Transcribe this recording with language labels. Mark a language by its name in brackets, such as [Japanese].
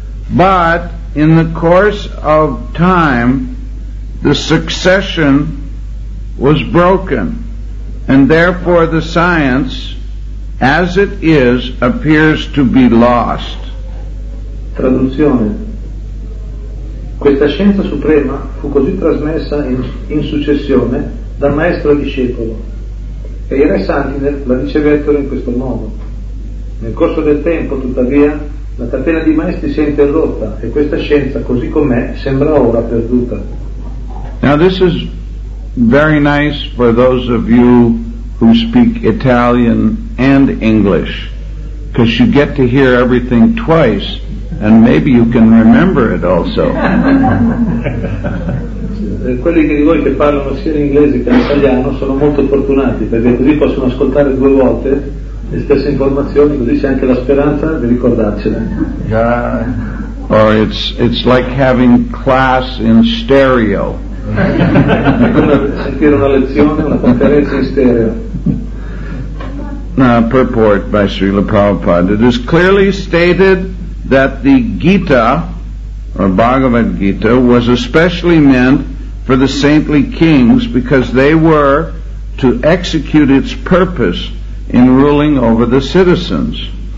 [English] But in the course of time, the succession was broken, and therefore the science, as it is, appears to be lost. [Italian] Traduzione. Questa scienza suprema fu così trasmessa in successione dal maestro al discepolo, e i re santi la ricevettero in questo modo. Nel corso del tempo, tuttavia, la catena di maestri si è interrotta e questa scienza, così com'è, sembra ora perduta. [English] Now this is very nice for those of you who speak Italian and English, because you get to hear everything twice and maybe you can remember it also. [Italian] Quelli di voi che parlano sia in inglese che in italiano sono molto fortunati, perché così possono ascoltare due volte le stesse informazioni, così c'è anche la speranza di ricordarcele. [English] Yeah. Or it's like having class in stereo. [Italian] Sentire una lezione, una conferenza in stereo. [English] Now, purport by Srila Prabhupada. It is clearly stated that the Gita, or Bhagavad Gita, was especially meant for the saintly kings because they were to execute its purpose in ruling over the citizens.